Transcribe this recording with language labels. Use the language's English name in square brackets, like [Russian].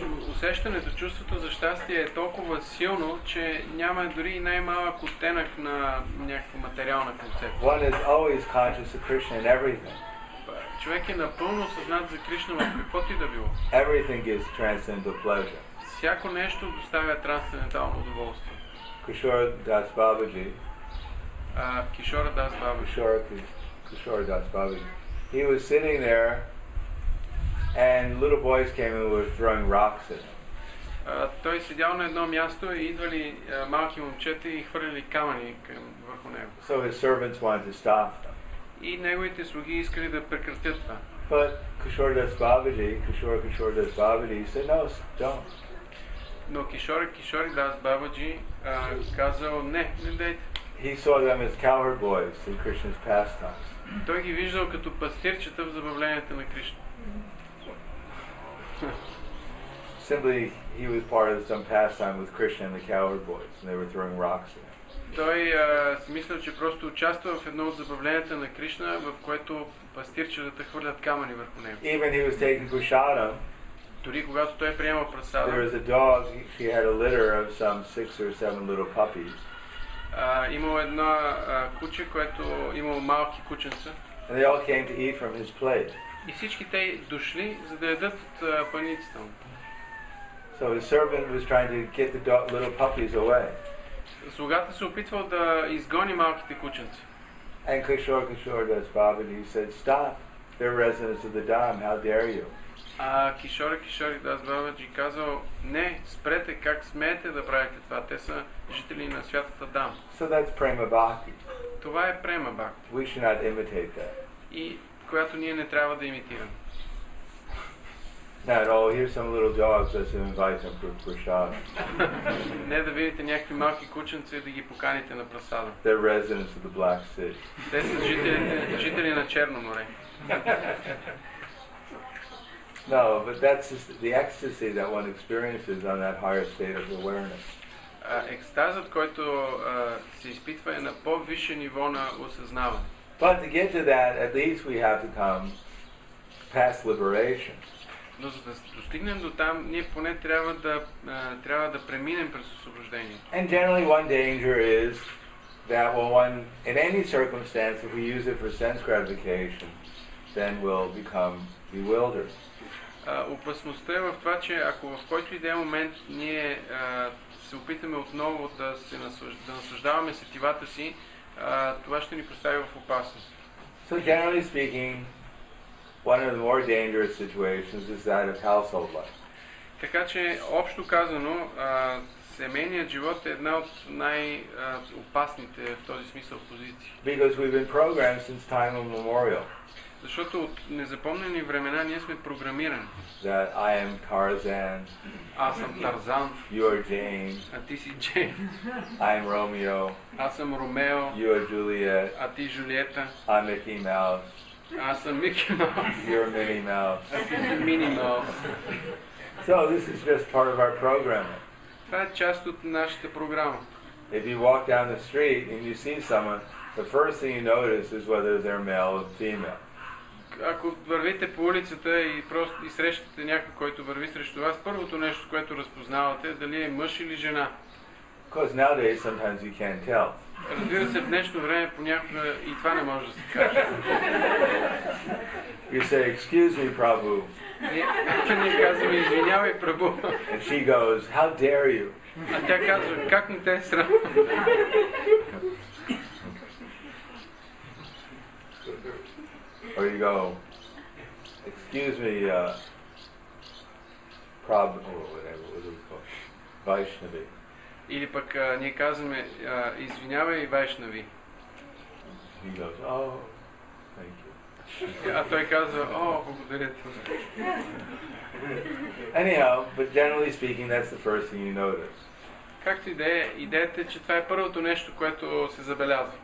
[Bulgarian] Усещането, чувството за щастие е толкова силно, че няма дори най-малък оттенък на някаква материална концепция. [English] One is always conscious of Krishna in everything. [Bulgarian] Човек е напълно съзнат за Кришна в каквото и да било. [English] Everything gives transcendental pleasure. [Bulgarian] Всяко нещо доставя трансцендентално удоволствие. [English] Kishore Das Babaji. Kishore Das Babaji. Kishore Das Babaji. He was sitting there and little boys came and were throwing rocks at him. [Bulgarian] Той седял на едно място и идвали малки момчета и хвърляли камъни върху него. [English] So his servants wanted to stop them. [Bulgarian] И неговите слуги искали да прекратят това. [English] But Kishore Das Babaji, Kishore Das Babaji said no, don't. [Bulgarian] Но Kishore Das Babaji казал не, не дейте. [English] He saw them as cowherd boys in Krishna's pastimes. [Bulgarian] Той ги виждал като пастирчета в забавленията на Кришна. [English] Simply, he was part of some pastime with Krishna and the cowherd boys, and they were throwing rocks at him. [Bulgarian] Той си мислил, че просто участвал в едно от забавленията на Кришна, в което пастирчетата хвърлят камъни върху него. [English] Even he was taking prasada. [Bulgarian] Дори когато той приема прасада. [English] There was a dog. She had a litter of some 6 or 7 little puppies. [Bulgarian] Имало едно куче, което имало малки кученца. [English] And they all came to eat from his plate. [Bulgarian] И всички те дошли, за да ядат от паницата му. [English] So his servant was trying to get the dog, little puppies away. [Bulgarian] Слугата се опитвал да изгони малките кученца. [English] And Kishore Das Babaji said, stop, they're residents of the dam, how dare you? [Bulgarian] А Kishore Das Babaji казал, не, спрете, как смеете да правите това, те са жители на святата дам. [English] So that's prema bhakti. [Bulgarian] Това е prema bhakti. [English] We should not imitate that. [Bulgarian] И която ние не трябва да имитираме. [English] Not all, here's some little dogs that should invite them for prasada. [Bulgarian] Не да видите някакви малки кученца и да ги поканите на прасада. [English] They're residents of the Black City. [Bulgarian] Те са жители на Черно море. [English] No, but that's just the ecstasy that one experiences on that higher state of awareness. [Bulgarian] Екстазът, който се изпитва е на по-висше ниво на осъзнаване. [English] But to get to that, at least we have to come past liberation. [Bulgarian] Но за да достигнем до там, ние поне трябва да преминем през освобождението. [English] And generally one danger is that when one, in any circumstance, if we use it for sense gratification, then we'll become bewildered. [Bulgarian] Опасността е в това, че ако в който и да е момент ние се опитаме отново да наслаждаваме сетивата си, това ще ни постави в опасност. [English] So generally speaking, one of the more dangerous situations is that of household life. [Bulgarian] Така че общо казано, семейният живот е една от най опасните в този смисъл позиции. [English] Because we've been programmed since time immemorial. [Bulgarian] Защото от незапомнени времена ние сме програмирани. [English] That I am Tarzan. [Bulgarian] Аз съм Тарзан. [English] You are Jane. [Bulgarian] А ти си Джейн. [English] I am Romeo. [Bulgarian] Аз съм Ромео. [English] You are Juliet. [Bulgarian] А ти Джулиета. [English] I'm Mickey Mouse. [Bulgarian] Аз съм Микки Маус. [English] You're Minnie Mouse. [Bulgarian] Minnie Mouse. [English] So this is just part of our programming. [Bulgarian] Това е част от нашата програма. [English] If you walk down the street and you see someone, the first thing you notice is whether they're male or female. [Bulgarian] Ако вървите по улицата и просто срещате някой, който върви срещу вас, първото нещо, което разпознавате, е дали е мъж или жена. [English] Because nowadays sometimes you can't tell. [Bulgarian] Разбира се, в днешно време понякога и това не може да се каже. [English] You say, excuse me, Prabhu. [Bulgarian] Ние казваме, извинявай, Прабу. [English] And she goes, how dare you? [Bulgarian] А тя казва, как не те е срам? [English] Or you go, excuse me, Prabhu, or whatever, what do we call it? Vaishnavi. [Bulgarian] Или пък ние казваме, извинявай, Вайшнави. [English] He goes, oh, thank you. [Bulgarian] А той казва, о, благодаря ти. [English] Anyhow, but generally speaking, that's the first thing you notice. [Bulgarian] Както и да е, идеята е, че това е първото нещо, което се забелязва.